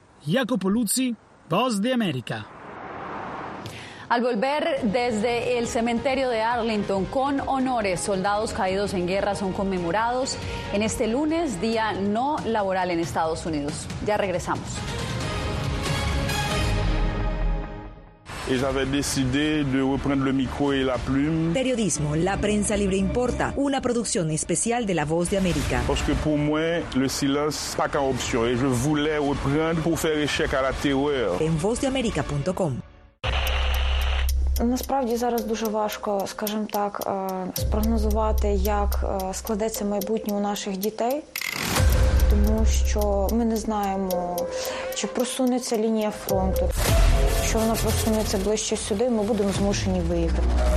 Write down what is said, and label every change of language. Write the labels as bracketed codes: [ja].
[es] Jacopo Luzzi, Voz de América. Al volver desde el cementerio de Arlington con honores, soldados caídos en guerra son conmemorados en este lunes, día no laboral en Estados Unidos. Ya regresamos. [fr] Y j'avais décidé de reprendre le micro [es] y [fr] la plume. [es] Periodismo, la prensa libre importa, una producción especial de La Voz de América. Porque para mí el silencio no es una opción y yo quería [fr] reprendre [es] para hacer [fr] échec [es] a la terror. En vozdeamerica.com. [uk] Насправді зараз дуже важко, скажімо так, спрогнозувати, як складеться майбутнє у наших дітей, тому що ми не знаємо, чи просунеться лінія фронту. Якщо вона просунеться ближче сюди, ми будемо змушені виїхати.